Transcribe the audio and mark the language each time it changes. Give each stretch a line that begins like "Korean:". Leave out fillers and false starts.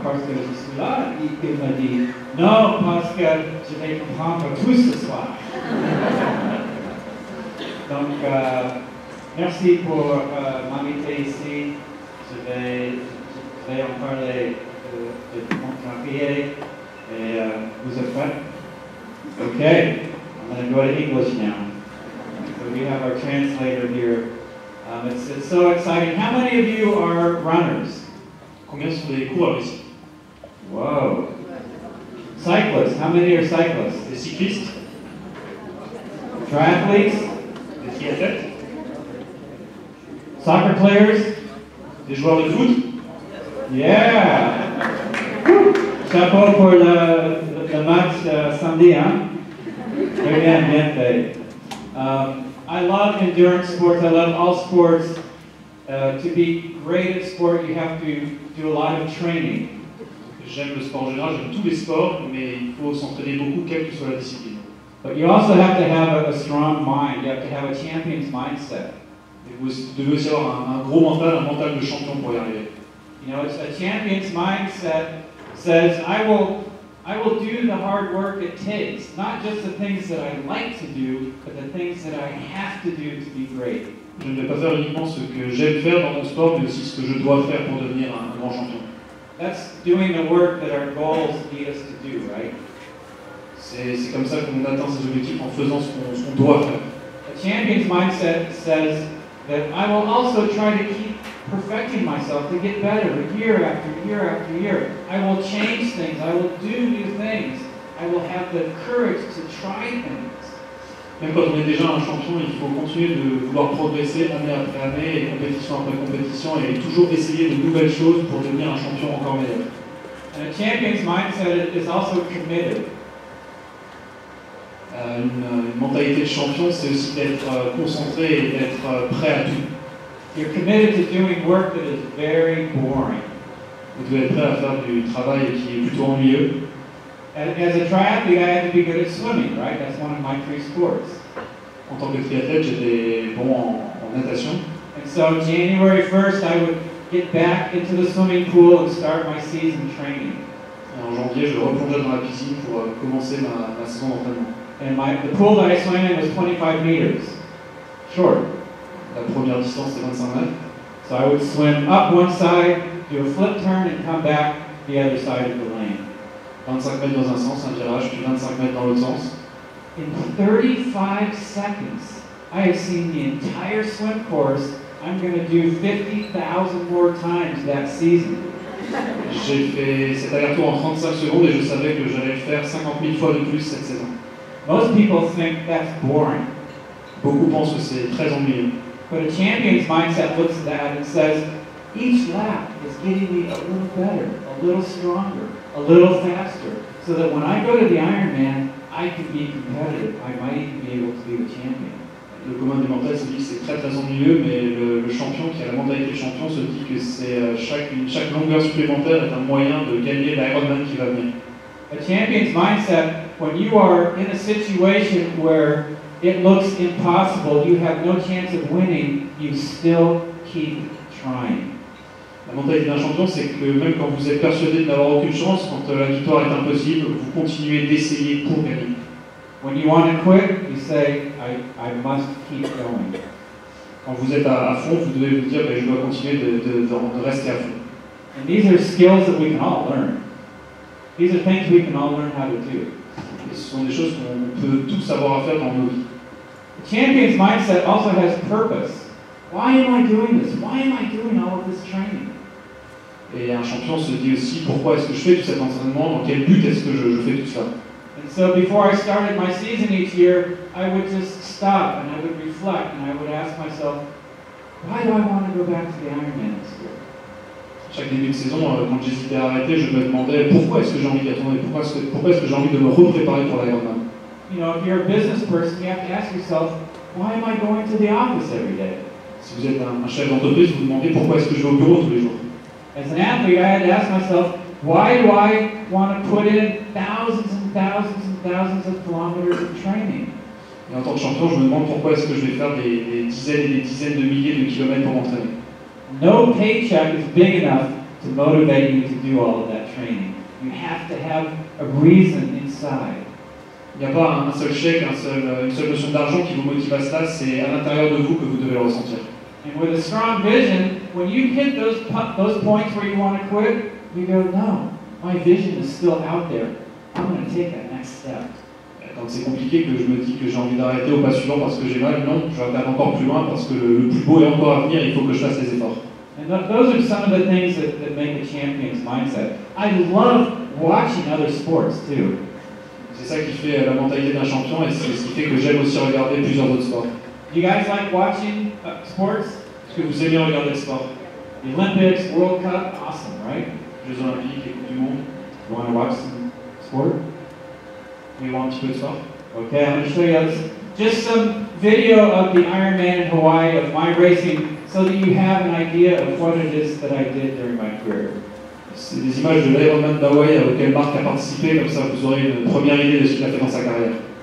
French: Parce que je suis là, et il m'a dit, non, parce que je vais comprendre tout ce soir. Donc, merci pour m'inviter ici. Je vais en parler de mon carrière et vous êtes prêts?
English: Ok, I'm going to go to English now. So we have our translator here. It's so exciting. How many of you are runners?
French: Combien sont les coureurs?
English: Wow. Cyclists, how many are cyclists?
French: Les cyclistes.
English: Triathletes?
French: Les triathlètes.
English: Soccer players?
French: Des joueurs de foot? Yeah! Chapeau pour le match samedi, hein? Très bien, bien fait.
English: I love endurance sports, I love all sports. To be great at sport, you have to do a lot of training.
French: J'aime le sport en général, j'aime tous les sports, mais il faut s'entraîner beaucoup, quelle que soit la discipline.
English: But you also have to have a strong mind, you have to have a champion's mindset.
French: Et vous devez aussi avoir un gros mental, un mental de champion pour y arriver.
English: You know, a champion's mindset says, I will do the hard work it takes, not just the things that I like to do, but the things that I have to do to be great.
French: Je ne vais pas faire uniquement ce que j'aime faire dans mon sport, mais aussi ce que je dois faire pour devenir un grand champion.
English: That's doing the work that our goals need us to do, right?
French: C'est comme ça qu'on atteint ses objectifs en faisant ce qu'on doit faire.
English: A champion's mindset says that I will also try to keep perfecting myself to get better year after year after year. I will change things, I will do new things, I will have the courage to try things.
French: Même quand on est déjà un champion, il faut continuer de vouloir progresser année après année, et compétition après compétition, et toujours essayer de nouvelles choses pour devenir un champion encore meilleur.
English: And a champion's mindset is also committed.
French: Une mentalité de champion, c'est aussi d'être concentré et d'être prêt à tout.
English: You're committed to doing work that is very boring.
French: Vous devez être prêt à faire du travail qui est plutôt ennuyeux.
English: As a triathlete, I had to be good at swimming, right? That's one of my three sports.
French: En tant que triathlète, j'étais bon en natation.
English: And so January 1st, I would get back into the swimming pool and start my season training.
French: Et en janvier, je replongeais dans la piscine pour commencer ma saison d'entraînement.
English: And the pool that I swam in was 25 meters short.
French: La première distance c'est 25 mètres.
English: So I would swim up one side, do a flip turn, and come back the other side of the lane.
French: 25 mètres dans un sens, un virage, puis 25 mètres dans l'autre sens.
English: In 35 seconds, I have seen the entire swim course. I'm going to do 50,000 more times that season.
French: J'ai fait cet aller-retour en 35 secondes et je savais que j'allais le faire 50 000 fois de plus cette saison.
English: Most people think that's boring.
French: Beaucoup pensent que c'est très ennuyeux.
English: But a champion's mindset looks at that and says, each lap is getting me a little better, a little stronger, a little faster, so that when I go to the Ironman, I can be competitive. I might even be able to be a champion.
French: le commun des mortels se dit que c'est très très ennuyeux, mais le champion qui a la mentalité champion se dit que c'est chaque longueur supplémentaire est un moyen de gagner l'Ironman qui va venir.
English: A champion's mindset, when you are in a situation where it looks impossible, you have no chance of winning, you still keep trying.
French: La mentalité d'un champion, c'est que même quand vous êtes persuadé de n'avoir aucune chance, quand la victoire est impossible, vous continuez d'essayer pour gagner.
English: When you want to quit, you say, I must keep going.
French: Quand vous êtes à fond, vous devez vous dire, ben, je dois continuer de rester à fond.
English: And these are skills that we can all learn. These are things we can all learn how to do.
French: Ce sont des choses qu'on peut tous savoir à faire dans nos vies.
English: The champion's mindset also has purpose. Why am I doing this? Why am I doing all of this training?
French: Et un champion se dit aussi, pourquoi est-ce que je fais tout cet entraînement? Dans quel but est-ce que je fais tout ça?
English: And so before I started my season each year, I would just stop and I would reflect and I would ask myself, why do I want to go back to the Ironman this year?
French: Chaque début de saison, quand j'hésitais à arrêter, je me demandais pourquoi est-ce que j'ai envie d'y retourner, pourquoi est-ce que j'ai envie de me repréparer pour l'Ironman.
English: You know, if you're a business person, you have to ask yourself, why am I going to the office every day?
French: Si vous êtes un chef d'entreprise, vous vous demandez pourquoi est-ce que je vais au bureau tous les jours.
English: As an athlete, I had to ask myself, why do I want to put in thousands and thousands and thousands of kilometers of training?
French: Et en tant que champion, je me demande pourquoi est-ce que je vais faire des dizaines et des dizaines de milliers de kilomètres pour m'entraîner.
English: No paycheck is big enough to motivate you to do all of that training. You have to have a reason inside.
French: Il n'y a pas un seul chèque, une seule notion d'argent qui vous motive à cela, c'est à l'intérieur de vous que vous devez le ressentir.
English: And with a strong vision, when you hit those points where you want to quit, you go, no, my vision is still out there. I'm going to take that next step.
French: Et quand c'est compliqué, que je me dis que j'ai envie d'arrêter au pas suivant parce que j'ai mal, non, je vais aller encore plus loin parce que le plus beau est encore à venir, il faut que je fasse les efforts.
English: And those are some of the things that make a champion's mindset. I love watching other sports too.
French: C'est ça qui fait la mentalité d'un champion et c'est ce qui fait que j'aime aussi regarder plusieurs autres sports.
English: You guys like watching sports?
French: Est-ce que vous aimez regarder le sport?
English: The Olympics, World Cup, awesome, right?
French: Jeux Olympiques, Coupe du Monde.
English: You want to watch some sport? Can we watch a bit of sport? Okay, I'm going to show you just some video of the Ironman in Hawaii of my racing so that you have an idea of what it is that I did during my career.
French: C'est des images de l'Ironman d'Hawaï auquel Marc a participé, comme ça vous aurez une première idée de ce qu'il a fait dans sa carrière.